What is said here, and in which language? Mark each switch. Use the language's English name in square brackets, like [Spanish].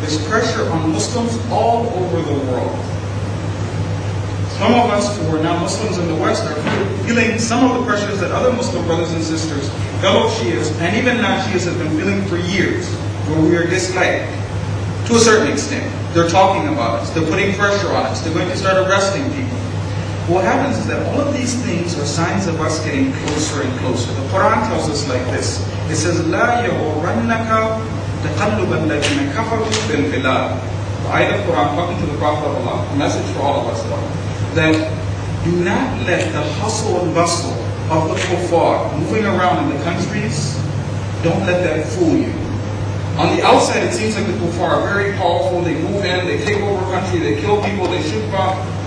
[English] There's pressure on Muslims all over the world. Some of us who are now Muslims in the West are feeling some of the pressures that other Muslim brothers and sisters, fellow Shias, and even non-Shias have been feeling for years, where we are disliked. To a certain extent, they're talking about us, they're putting pressure on us, they're going to start arresting people. What happens is that all of these things are signs of us getting closer and closer. The Quran tells us like this. It says, [Arabic] لَا يَغُرَّنَّكَ تَقَلُّبَ الَّذِينَ كَفَرُوا فِي الْبِلَادِ. [English] The ayat of Quran, talking to the Prophet of Allah, a message for all of us, Allah, that do not let the hustle and bustle of the kuffar moving around in the countries, don't let that fool you. On the outside, it seems like the kuffar are very powerful. They move in, they take over country, they kill people, they shoot bombs.